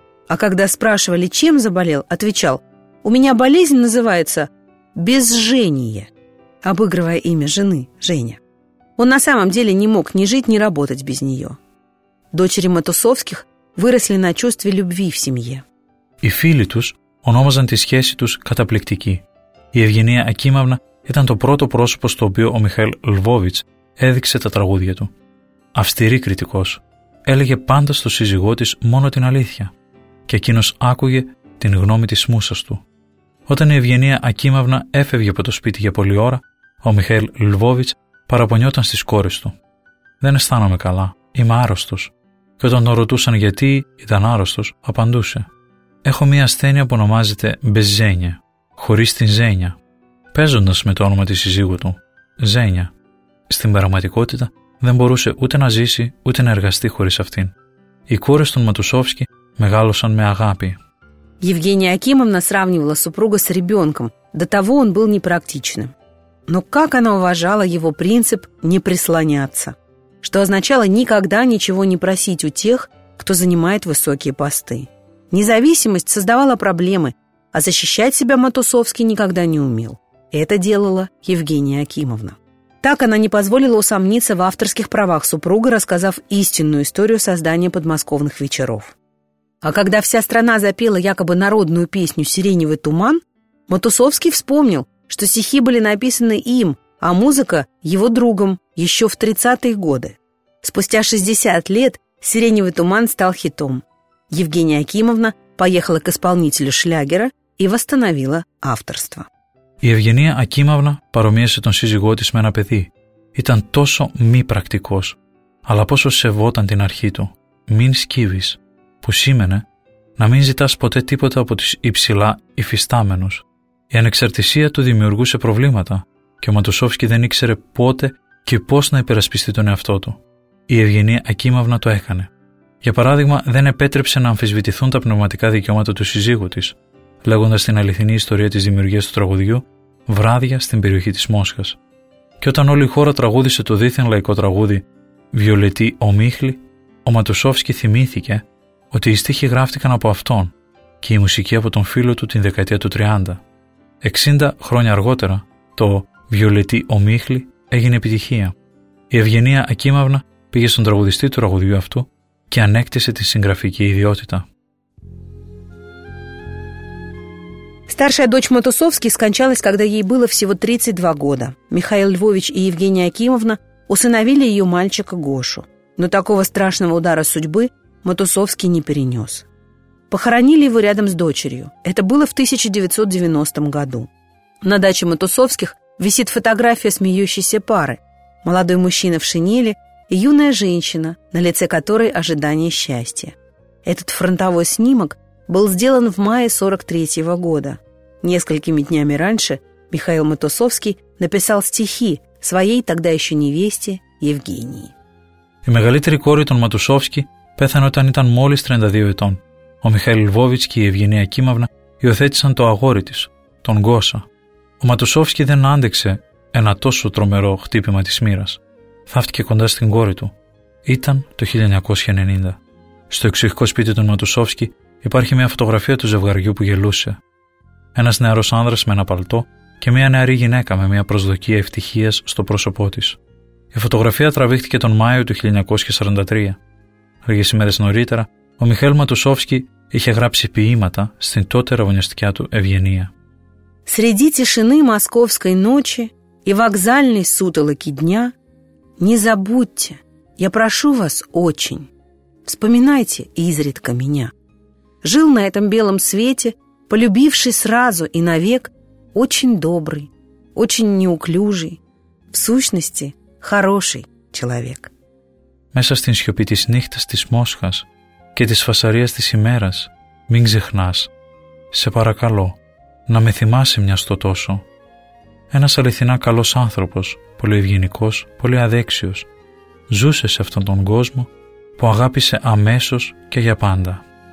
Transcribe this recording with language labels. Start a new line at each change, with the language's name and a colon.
Russian: А когда спрашивали, чем заболел, отвечал: «У меня болезнь называется безжение», обыгрывая имя жены, Женя. Он на самом деле не мог ни жить, ни работать без нее. Дочери Матусовских выросли на чувстве любви в семье.
Greek: И фили тус ономазан ти схеси тус катаплектики. И Евгения Акимовна ήταν το πρώτο πρόσωπο στο οποίο ο Μιχαήλ Λβόβιτς έδειξε τα τραγούδια του. Αυστηρή κριτικός. Έλεγε πάντα στο σύζυγό της μόνο την αλήθεια. Και εκείνος άκουγε την γνώμη της μούσας του. Όταν η Ευγενία Ακίμαυνα έφευγε από το σπίτι για πολλή ώρα, ο Μιχαήλ Λβόβιτς παραπονιόταν στις κόρες του. «Δεν αισθάνομαι καλά. Είμαι άρρωστος». Και όταν τον ρωτούσαν γιατί ήταν άρρωστος, απαντούσε: «Έχω μία ασθένεια που ονομάζεται μπεζένια, χωρίς την ζένια». Παίζοντας με το όνομα της σύζυγου του, Ζένια, στην πραγματικότητα δεν μπορούσε ούτε να ζήσει ούτε να εργαστεί χωρίς αυτήν. Οι κόρες των Ματουσόφσκι μεγάλωσαν με αγάπη.
Russian: Евгения Акимовна сравнивала супруга с ребенком. До того он был непрактичным. Но как она уважала его принцип «не прислоняться», что означало никогда ничего не просить у тех, кто занимает высокие посты. Независимость создавала проблемы, а защищать себя Матусовский никогда не умел. Это делала Евгения Акимовна. Так она не позволила усомниться в авторских правах супруга, рассказав истинную историю создания подмосковных вечеров. А когда вся страна запела якобы народную песню «Сиреневый туман», Матусовский вспомнил, что стихи были написаны им, а музыка – его другом еще в 30-е годы. Спустя 60 лет «Сиреневый туман» стал хитом. Евгения Акимовна поехала к исполнителю шлягера и восстановила авторство.
Greek: Η Ευγενία Ακίμαυνα παρομοίασε τον σύζυγό της με ένα παιδί. Ήταν τόσο μη πρακτικός, αλλά πόσο σεβόταν την αρχή του. «Μην σκύβεις», που σήμαινε να μην ζητάς ποτέ τίποτα από τους υψηλά υφιστάμενους. Η ανεξαρτησία του δημιουργούσε προβλήματα και ο Ματουσόφσκι δεν ήξερε πότε και πώς να υπερασπιστεί τον εαυτό του. Η Ευγενία Ακίμαυνα το έκανε. Για παράδειγμα, δεν επέτρεψε να αμφισβητηθούν τα πνευματικά δικαιώματα του σύζυγου της, λέγοντας την αληθινή ιστορία της δημιουργίας του τραγουδιού «Βράδια στην περιοχή της Μόσχας». Και όταν όλη η χώρα τραγούδισε το δίθεν λαϊκό τραγούδι «Βιολετή ομίχλη», ο Ματουσόφσκι θυμήθηκε ότι οι στίχοι γράφτηκαν από αυτόν και η μουσική από τον φίλο του την δεκαετία του 30. 60 χρόνια αργότερα, το «Βιολετή ομίχλη» έγινε επιτυχία. Η Ευγενία Ακίμαυνα πήγε στον τραγουδιστή του τραγουδιού αυτού και ανέκτησε τη συγγραφική ιδιότητα.
Russian: Старшая дочь Матусовски скончалась, когда ей было всего 32 года. Михаил Львович и Евгения Акимовна усыновили ее мальчика Гошу. Но такого страшного удара судьбы Матусовский не перенес. Похоронили его рядом с дочерью. Это было в 1990 году. На даче Матусовских висит фотография смеющейся пары. Молодой мужчина в шинели и юная женщина, на лице которой ожидание счастья. Этот фронтовой снимок был сделан в мае 43-го года. Несколькими днями раньше Михаил Матусовский написал стихи своей тогда еще невесте Евгении.
Greek: Η μεγαλύτερη κόρη των Ματουσόφσκι πέθανε όταν ήταν μόλις 32 ετών. Ο Μιχαήλ Λβόβιτς και η Ευγενία Κίμαυνα υιοθέτησαν το αγόρι της, τον Γκόσα. Ο Ματουσόφσκι δεν άντεξε ένα τόσο τρομερό χτύπημα της μοίρας. Θαύτηκε κοντά στην κόρη του. Ήταν το 1990. Στο εξοχικό σπίτι του Ματουσόφσκι υπάρχει μια φωτογραφία του ζευγαριού που γελούσε. Ένας νεαρός άνδρας με ένα παλτό και μια νεαρή γυναίκα με μια προσδοκία ευτυχίας στο πρόσωπό της. Η φωτογραφία τραβήχτηκε τον Μάιο του 1943. Λίγες ημέρες νωρίτερα, ο Μιχαήλ Ματουσόφσκι είχε γράψει ποίηματα στην τότε ραβωνιαστικιά του Ευγενία.
Russian: Среди тишины московской ночи и вокзальной сутолоки дня не забудьте, я прошу вас очень, вспоминайте изредка меня. Жил на этом белом свете, полюбивший сразу и навек, очень добрый, очень неуклюжий, в сущности, хороший человек.
Greek: Μέσα στην σιωπή της νύχτας της Μόσχας και της φασαρίας της ημέρας, μην ξεχνάς, σε παρακαλώ, να με θυμάσαι μια στο τόσο. Ένας αληθινά καλός άνθρωπος, πολύ ευγενικός, πολύ αδέξιος, ζούσε σε αυτόν τον κόσμο που αγάπησε αμέσως και για πάντα.